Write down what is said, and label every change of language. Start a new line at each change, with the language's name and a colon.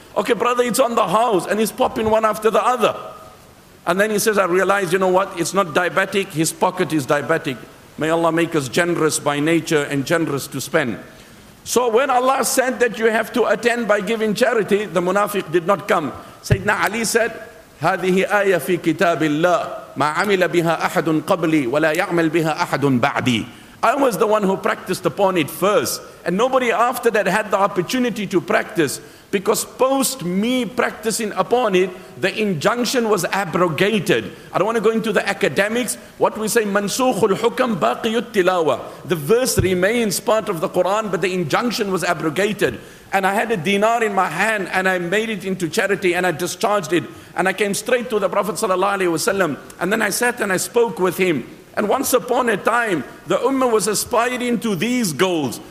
English: Okay, brother, it's on the house. And he's popping one after the other. And then he says, I realize, you know what? It's not diabetic. His pocket is diabetic. May Allah make us generous by nature and generous to spend. So when Allah said that you have to attend by giving charity, the munafiq did not come. Sayyidina Ali said,
Arabic: هَذِهِ آيَةٌ فِي كِتَابِ اللَّهِ مَا عَمِلَ بِهَا أَحَدٌ قَبْلِي وَلَا يَعْمَلْ بِهَا أَحَدٌ بَعْدِي.
English: I was the one who practiced upon it first. And nobody after that had the opportunity to practice. Because post me practicing upon it, the injunction was abrogated. I don't want to go into the academics. What we say,
Arabic: منسوخ الحكم باقي التلاوة.
English: The verse remains part of the Quran, but the injunction was abrogated. And I had a dinar in my hand, and I made it into charity, and I discharged it. And I came straight to the Prophet sallallahu alaihi wasallam. And then I sat and I spoke with him. And once upon a time, the Ummah was aspiring to these goals.